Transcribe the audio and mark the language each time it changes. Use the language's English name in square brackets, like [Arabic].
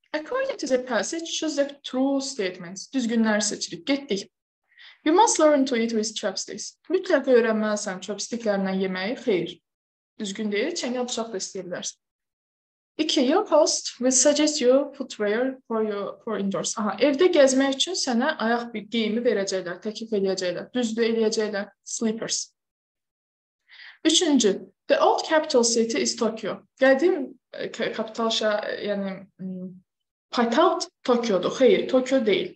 [English] According to the passage, choose the true statements. [Azerbaijani] Düzgünləri seçirik. Getdik. [English] You must learn to eat with chopsticks. [Azerbaijani] Mütləq öyrənməlisən chopsticklərlə yeməyi. Xeyr. Düzgün deyil. Çəngəl bıçaqla istəyə bilərsən. İki. [English] Your host will suggest you footwear for indoors. [Azerbaijani] Aha. Evdə gəzmək üçün sənə ayaq bir geyimi verəcəklər. Təklif edəcəklər. Düzlü edəcəklər. Slippers. Üçüncü. [English] The old capital city is Tokyo. [Azerbaijani] Qədim kapital yəni paytaxt Tokyo'dur. Xeyr, Tokyo deyil.